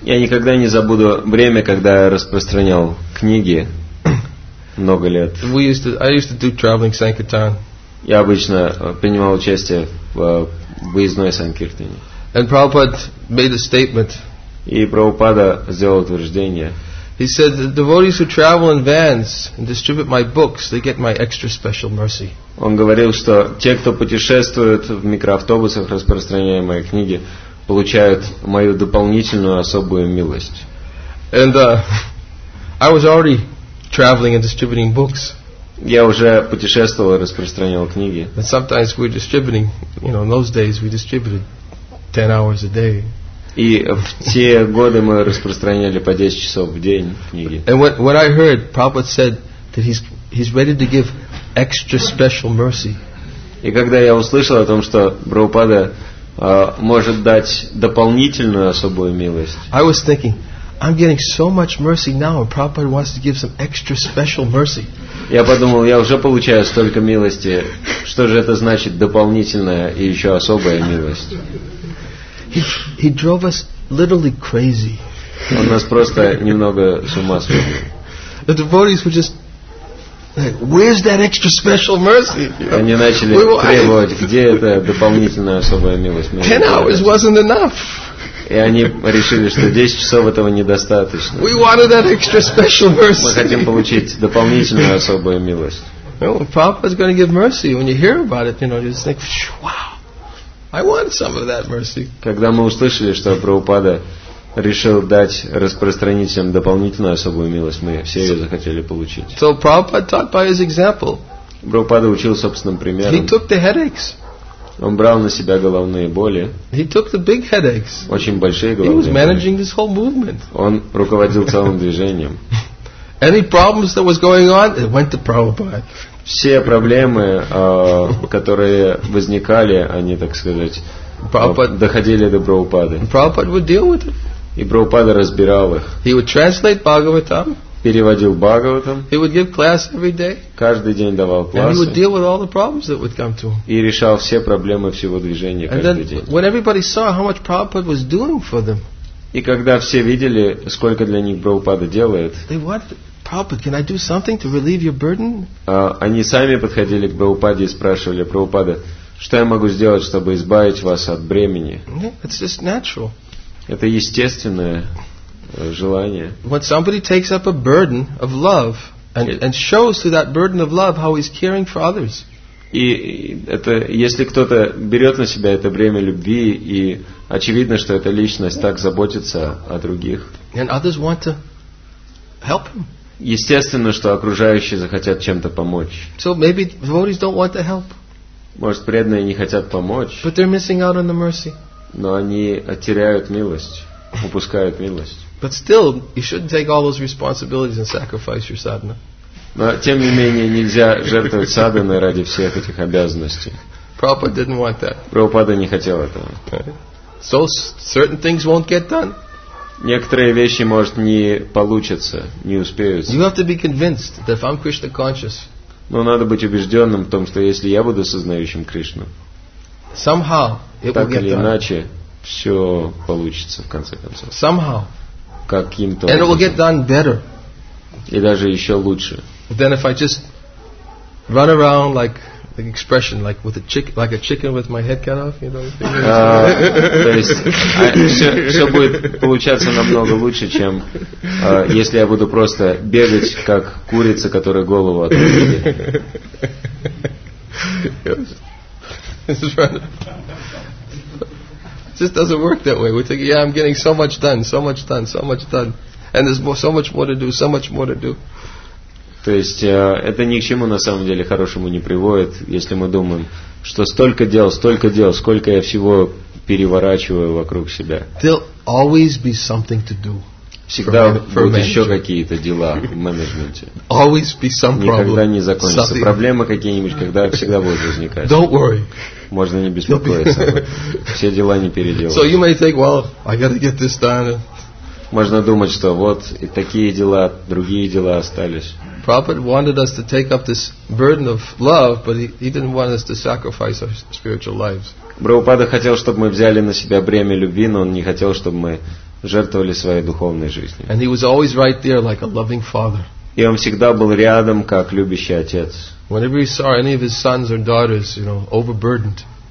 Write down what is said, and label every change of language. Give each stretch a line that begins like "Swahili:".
Russian: Я никогда не забуду время, когда я распространял книги много лет.
English: I used to do traveling sankirtan.
Russian: Я обычно принимал участие в выездной санкиртане.
English: And Prabhupada made a statement.
Russian: И Прабхупада сделал утверждение.
English: He said the devotees who travel in vans and distribute my books, they get my extra special mercy.
Russian: Он говорил, что те, кто путешествует в микроавтобусах, распространяя мои книги, получают мою дополнительную особую милость.
English: And I was already traveling and distributing books.
Russian: Я уже путешествовал и распространял книги.
English: And sometimes we're distributing, you know, in those days we distributed 10 hours a day.
Russian: И в те годы мы распространяли по 10 часов в день книги.
English: And what I heard, Prabhupada said that he's ready to give extra special mercy.
Russian: И когда я услышал о том, что Прабхупада может дать дополнительную особую милость,
English: I was thinking, I'm getting so much mercy now, and Prabhupada wants to give some extra special mercy.
Russian: Я подумал, я уже получаю столько милости, что же это значит дополнительная и еще особая милость?
English: He drove us literally crazy.
Russian: Он нас просто немного с ума свел.
English: The devotees were just like, where's that extra special mercy?
Russian: Они начали требовать, где эта дополнительная особая милость?
English: 10 hours wasn't enough.
Russian: И они решили, что 10 часов этого недостаточно.
English: We wanted that extra special mercy.
Russian: Мы хотим получить дополнительную особую милость.
English: Well, Prabhupada's going to give mercy. When you hear about it, you know, you just think, wow, I want some of that mercy.
Russian: Когда мы услышали, что Прабхупада решил дать распространителям дополнительную особую милость, мы все ее захотели получить.
English: So Prabhupada taught by his example.
Russian: Прабхупада учил собственным примером.
English: He took the headaches.
Russian: Он брал на себя головные боли.
English: He took the big headaches.
Russian: Очень большие головные
English: He was managing
Russian: боли.
English: This whole movement.
Russian: Он руководил целым движением.
English: Any problems that was going on, it went to Prabhupada.
Russian: Все проблемы, которые возникали, они, так сказать, Prabhupada, доходили до Прабхупады.
English: Prabhupada would deal with it.
Russian: И Прабхупада разбирал их.
English: He would translate Bhagavatam.
Russian: Переводил Бхагаватам.
English: He would give class every day.
Russian: Каждый день давал классы.
English: And he would deal with all the problems that would come to him.
Russian: И решал все проблемы всего движения каждый
English: And then,
Russian: день.
English: When everybody saw how much Prabhupada was doing for them.
Russian: И когда все видели, сколько для них Прабхупада делает.
English: They wanted, Prabhupada, can I do something to relieve your burden?
Russian: Они сами подходили к Прабхупаде и спрашивали Прабхупада, что я могу сделать, чтобы избавить вас от бремени?
English: It's just natural.
Russian: Это естественное. Желание.
English: When somebody takes up a burden of love and shows through that burden of love how he's caring for others.
Russian: И это если кто-то берет на себя это бремя любви и очевидно, что эта личность так заботится о других.
English: And others want to help him.
Russian: Естественно, что окружающие захотят чем-то помочь.
English: So maybe devotees don't want to help.
Russian: Может, преданные не хотят помочь.
English: But they're missing out on the mercy.
Russian: Но они теряют милость, упускают милость.
English: But still, you shouldn't take all those responsibilities and sacrifice your sadhana.
Russian: Но тем не менее нельзя жертвовать садханой ради всех этих обязанностей.
English: Prabhupada didn't want that.
Russian: Прабхупада не хотел этого.
English: So certain things won't get done.
Russian: Некоторые вещи может не получатся, не успеются.
English: You have to be convinced that if I'm Krishna conscious.
Russian: Но надо быть убежденным в том, что если я буду сознающим Кришну.
English: Somehow it will get done.
Russian: Так или иначе все получится в конце концов.
English: Somehow.
Russian: Каким-то
English: And it will get done better.
Russian: И даже еще лучше.
English: Then if I just run around like the expression, like with a chick, like a chicken with my head cut off, you know.
Russian: То есть все будет получаться намного лучше, чем если я буду просто бегать как курица, которая голову отрубили.
English: It just doesn't work that way. We think, yeah, I'm getting so much done, so much done, so much done. And there's more, so much more to do, so much more to do.
Russian: То есть, это ни к чему на самом деле хорошему не приводит, если мы думаем, что столько дел, сколько я всего переворачиваю вокруг себя.
English: There'll always be something to do.
Russian: Всегда будут еще какие-то дела в менеджменте.
English: Always be some problem.
Russian: Никогда не закончится.
English: Something.
Russian: Проблемы какие-нибудь, когда всегда будут возникать.
English: Don't worry.
Russian: Можно не беспокоиться. Все дела не переделать.
English: So you may think, well, I gotta get this done.
Russian: Можно думать, что вот и такие дела, другие дела остались.
English: Prabhupada wanted us to take up this burden of love, but he didn't want us to sacrifice our spiritual lives.
Russian: Прабхупада хотел, чтобы мы взяли на себя бремя любви, но он не хотел, чтобы мы жертвовали своей духовной жизнью.
English: And he was always right there, like a loving father.
Russian: И он всегда был рядом, как любящий отец.
English: Whenever he saw any of his sons or daughters, you know, overburdened.